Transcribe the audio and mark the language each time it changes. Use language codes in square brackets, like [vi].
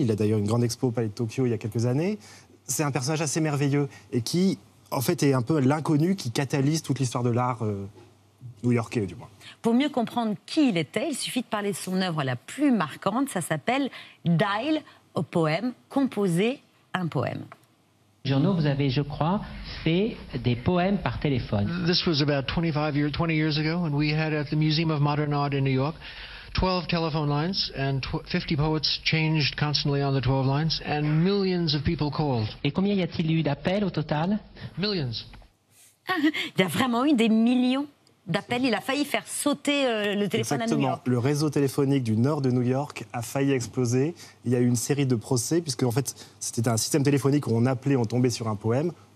[fr] Il a d'ailleurs une grande expo au Palais de Tokyo il y a quelques années. C'est un personnage assez merveilleux et qui, en fait, est un peu l'inconnu qui catalyse toute l'histoire de l'art new-yorkais, du moins. Pour mieux comprendre qui il était, il suffit de parler de son œuvre la plus marquante. Ça s'appelle « Dial au poème, composer un poème ». Journaux, vous avez, je crois, fait des poèmes par téléphone. [en] This was about 20 years ago, and we had at the Museum of Modern Art in New York 12 telephone lines, and 50 poets changed constantly on the 12 lines, and millions of people called. [fr] Et combien y a-t-il eu d'appels au total? Millions. Il y a vraiment eu des millions d'appel. Il a failli faire sauter le téléphone. Exactement. À New York. Le réseau téléphonique du nord de New York a failli exploser. Il y a eu une série de procès, puisque en fait, c'était un système téléphonique où on appelait, on tombait sur un poème.